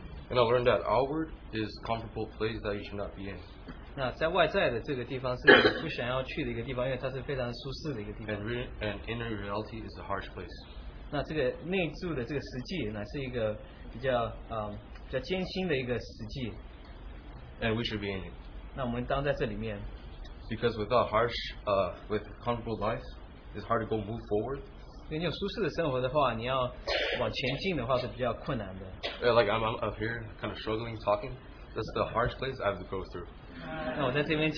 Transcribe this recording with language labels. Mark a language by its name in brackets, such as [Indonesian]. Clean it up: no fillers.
[English] And I learned that outward is comfortable place that you should not be in. [Chinese] 那在外在的这个地方是不想要去的一个地方，因为它是非常舒适的一个地方。 [English] And inner reality is a harsh place. [Chinese] 那这个内住的这个实际，乃是一个比较艰辛的一个实际。 [English] And we should be in it. [Chinese] 那我们当在这里面。 [English] Because without harsh, with comfortable life, it's hard to go move forward. [Chinese] 因为你有舒适的生活的话，你要往前进的话是比较困难的。 [English] Yeah, like I'm up here, kind of struggling talking. That's the harsh place I have to go through.